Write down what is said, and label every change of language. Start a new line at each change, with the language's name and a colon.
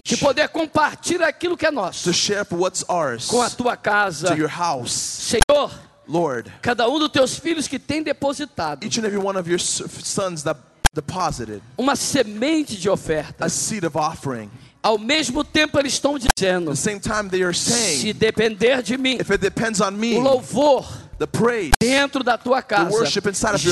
Portuguese: De poder compartilhar aquilo que é nosso.
English: To share what's ours.
Portuguese: Com a tua casa.
English: To your house.
Portuguese: Senhor.
English: Lord,
Portuguese: cada um dos teus filhos que tem depositado,
English: each and every one of your sons that deposited,
Portuguese: uma semente de oferta,
English: a seed of offering.
Portuguese: Ao mesmo tempo eles estão dizendo,
English: the same time they are saying,
Portuguese: se depender de mim,
English: if it depends on me,
Portuguese: o louvor,
English: the praise,
Portuguese: dentro da tua casa,
English: the worship inside of your